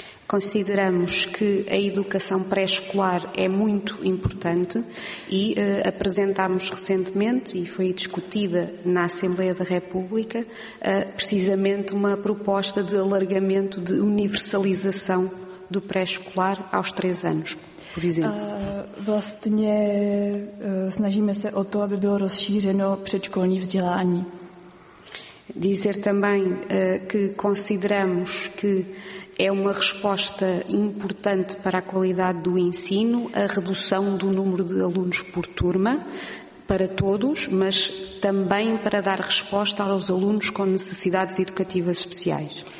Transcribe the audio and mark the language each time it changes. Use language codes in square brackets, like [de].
[pt] Consideramos que a educação pré-escolar é muito importante e apresentámos recentemente, e foi discutida na Assembleia da República, precisamente uma proposta de alargamento de universalização do pré-escolar aos 3 anos, por exemplo. [cs] Vlastně snažíme se o to, aby bylo rozšířeno předškolní vzdělání. [pt] Dizer também que consideramos que é uma resposta importante para a qualidade do ensino, a redução do número de alunos por turma, para todos, mas também para dar resposta aos alunos com necessidades educativas especiais.